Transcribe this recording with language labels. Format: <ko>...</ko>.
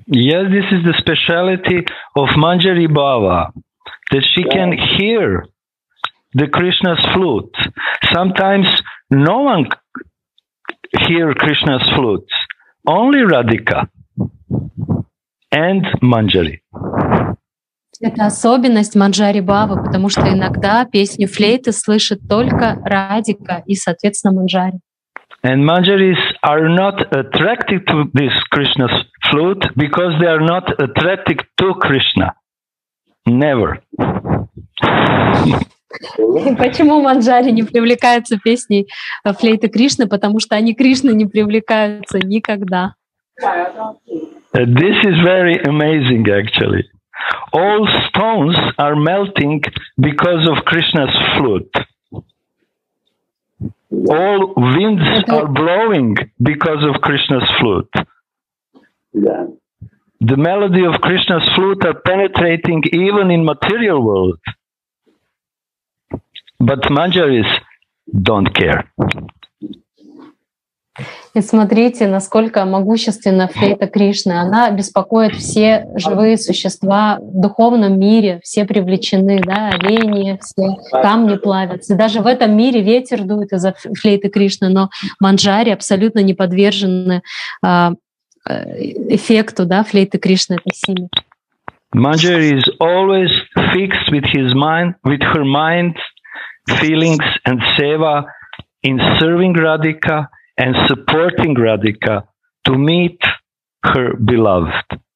<en>Yes, this is the speciality of Manjari Bhava, that she can hear the Krishna's flute. Sometimes no one hears Krishna's flutes, only Radhika and Manjari.</en> <ru>Это особенность Манджари Бавы, потому что иногда песню флейты слышит только Радика и, соответственно, Манджари.</ru> <en>And Manjaris are not attracted to this Krishna's flute because they are not attracted to Krishna. Never.</en> <ru>Почему манджари не привлекаются песней флейты Кришны? Потому что они Кришны не привлекаются никогда.</ru> <en>This is very amazing, actually. All stones are melting because of Krishna's flute. All winds are blowing because of Krishna's flute. The melody of Krishna's flute are penetrating even in material world. But Manjaris don't care.</en> <ru>И смотрите, насколько могущественна флейта Кришны. Она беспокоит все живые существа в духовном мире. Все привлечены, да, олени, все камни плавятся. И даже в этом мире ветер дует из-за флейты Кришны, но Манджари абсолютно не подвержены эффекту, да, флейты Кришны этой силы.</ru> <en>Manjari is always fixed with his mind, with her mind, feelings and seva in serving Radhika and supporting Radhika to meet her beloved.</en>